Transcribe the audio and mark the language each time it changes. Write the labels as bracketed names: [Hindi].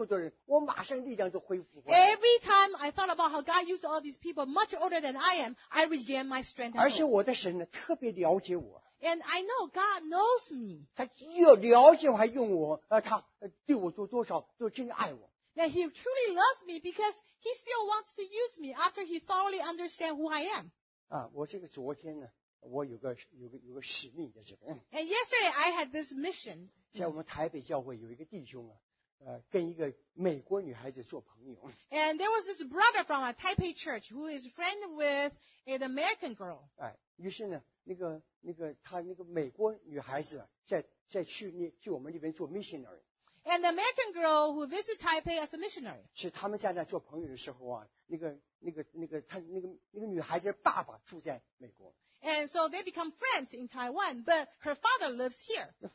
[English] every time I thought about how God used all these people much older than I am, I regained my strength. [Chinese] 而且我的神呢, [English] and I know God knows me. [Chinese] 他又了解我还用我, 他对我做多少, [English] and He truly loves me because He still wants to use me after He thoroughly understands who I am. [Chinese] 我这个昨天呢, 我有个使命在这边。 [English] And yesterday I had this mission. [Chinese] 在我们台北教会有一个弟兄啊, 跟一个美国女孩子做朋友。 [English] And there was this brother from a Taipei church who is friend with an American girl. [Chinese] 于是呢, 那个美国女孩子在去我们那边做 missionary。 [English] And the American girl who visited Taipei as a missionary. [Chinese] 是他们在那做朋友的时候啊, 那个女孩子爸爸住在美国。 [English] And so they become friends in Taiwan, but her father lives here.